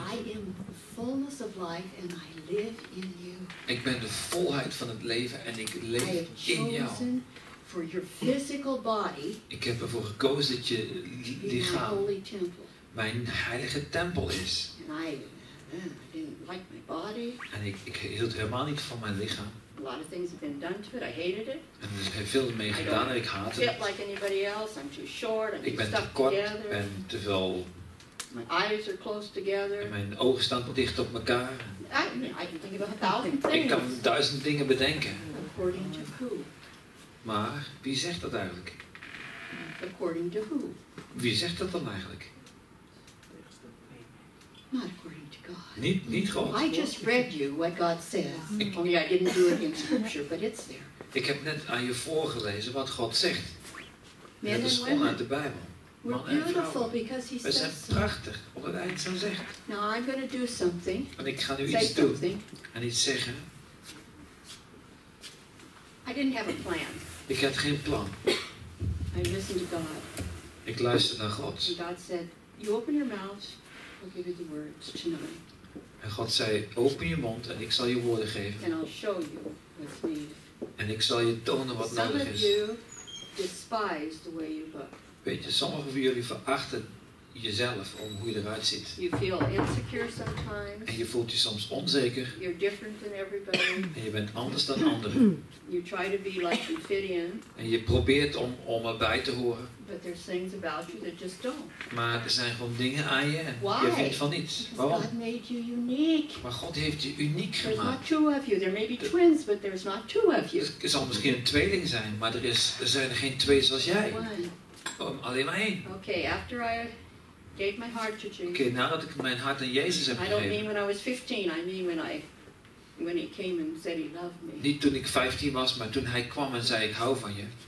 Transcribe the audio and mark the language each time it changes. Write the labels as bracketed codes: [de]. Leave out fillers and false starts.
[en] I am the fullness of life and I live in you. [nl] Ik ben de volheid van het leven en ik leef in jou. [en] For your physical body, [nl] ik heb ervoor gekozen dat je lichaam mijn heilige tempel is. [en] And I didn't like my body. [nl] En ik hield helemaal niet van mijn lichaam. [en] A lot of things have been done to it. I hated it. [nl] En er zijn veel mee gedaan en ik haat het. [en] I don't fit like anybody else. I'm too short. [nl] Ik ben te kort en te veel. [en] My eyes are close together. [nl] En mijn ogen staan dicht op elkaar. [en] I can think about 1,000 things. [nl] Ik kan 1,000 dingen bedenken. [en] According to who? [nl] Maar wie zegt dat eigenlijk? [en] According to who? [nl] Wie zegt dat dan eigenlijk? [en] Not according to God. [nl] Niet God. [en] I just read you what God says. Only I didn't do it in scripture, but it's there. [nl] Ik heb net aan je voorgelezen wat God zegt. Dat is gewoon uit de Bijbel. We zijn prachtig, op het eind van zegt. [en] Now I'm going to do something. [nl] En ik ga nu iets doen en iets zeggen. [en] I didn't have a plan. [nl] Ik had geen plan. [en] I listened to God. [nl] Ik luister naar God. [en] And God said, you open your mouth. I'll give you the words tonight. [nl] En God zei, open je mond en ik zal je woorden geven. [en] And I'll show you what's needed. [nl] En ik zal je tonen wat [en] some [nl] nodig is. [en] Some of you despise the way you look. [nl] Weet je, sommigen van jullie verachten jezelf om hoe je eruit ziet. [en] You feel insecure sometimes. [nl] En je voelt je soms onzeker. [en] You're different than everybody. [nl] En je bent anders dan anderen. [en] You try to be like you fit in. [nl] En je probeert om erbij te horen. [en] But there's things about you that just don't. [nl] Maar er zijn gewoon dingen aan je. [en] Why? [nl] Je vindt van niets. [en] Because [nl] waarom? [en] God made you unique. [nl] Maar God heeft je uniek gemaakt. [en] There's not two of you. There may be twins, but there's not two of you. [nl] Er zal misschien een tweeling zijn, maar er zijn er geen twee zoals jij. Alleen maar één. [en] Okay, after I gave my heart to Jesus. [nl] Okay, nadat ik mijn hart aan Jezus heb gegeven. [en] I don't mean when I was 15, I mean when he came and said he loved me. [nl] Niet toen ik 15 was, maar toen hij kwam en zei ik hou van je.